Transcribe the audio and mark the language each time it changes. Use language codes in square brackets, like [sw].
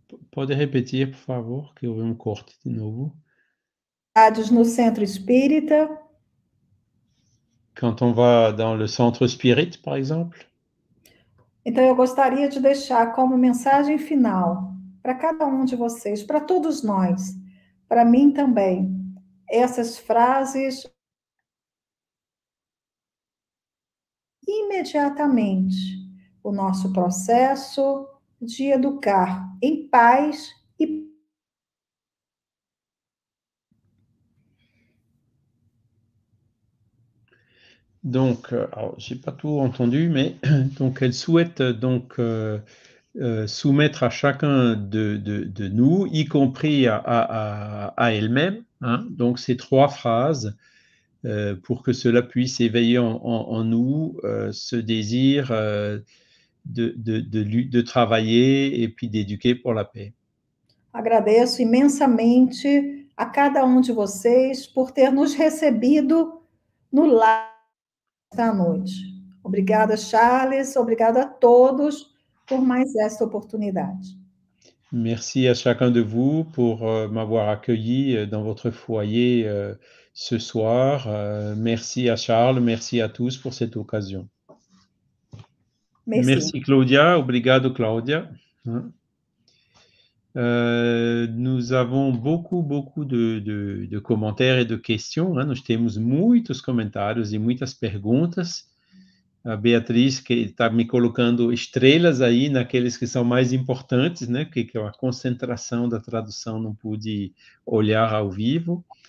[pt] Pode repetir, por favor, que houve um corte de novo. No centro espírita. [fr] Quand on va dans le centre spirit, par exemple. [pt] Então, eu gostaria de deixar como mensagem final para cada um de vocês, para todos nós, para mim também, essas frases imediatamente o nosso processo de educar em paz e [fr] Donc, alors, j'ai pas tout entendu, mais donc elle souhaite donc soumettre à chacun de nous, y compris à elle-même, hein, donc ces trois phrases pour que cela puisse éveiller en nous ce désir de travailler et puis d'éduquer pour la paix. [pt] Agradeço imensamente a cada um de vocês por ter nos recebido no lar esta noite. Obrigada, Charles. Obrigada a todos por mais esta oportunidade. [fr] Merci à chacun de vous pour m'avoir accueilli dans votre foyer ce soir. Merci à Charles, merci à tous pour cette occasion. Merci. Merci Claudia, [pt] obrigado Claudia. [fr] Nous avons beaucoup, beaucoup de commentaires et de questions. Hein. Nous avons [pt] muitos comentários et muitas perguntas. A Beatriz que está me colocando estrelas aí naqueles que são mais importantes, né? Que é a concentração da tradução, não pude olhar ao vivo.